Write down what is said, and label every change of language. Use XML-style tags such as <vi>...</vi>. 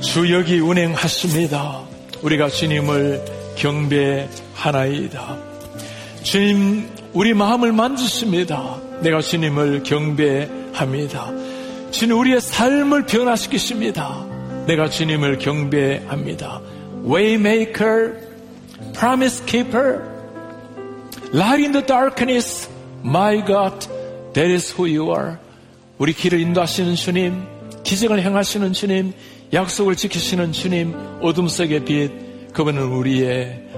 <ko>주 여기 운행하십니다. 우리가 주님을 경배하나이다. 주님 우리 마음을 만지십니다. 내가 주님을 경배합니다. 주님 우리의 삶을 변화시키십니다. 내가 주님을 경배합니다.</ko> <en>Waymaker, Promise Keeper, Light in the Darkness, My God, That is who you are.</en> <ko>우리 길을 인도하시는 주님, 기적을 행하시는 주님, 약속을 지키시는 주님, 어둠 속의 빛, 그분은 우리의</ko>